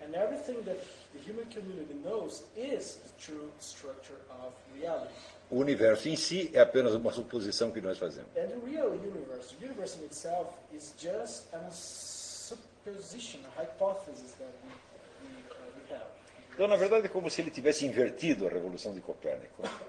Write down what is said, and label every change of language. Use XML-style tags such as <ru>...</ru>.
<en>And everything that the human community knows is the true structure of reality.</en> <pt>O universo em si é apenas uma suposição que nós fazemos.</pt> <en>And the real universe, the universe in itself, is just a supposition, a hypothesis that we have.</en> <pt>Então, na verdade, é como se ele tivesse invertido a revolução de Copérnico.</pt>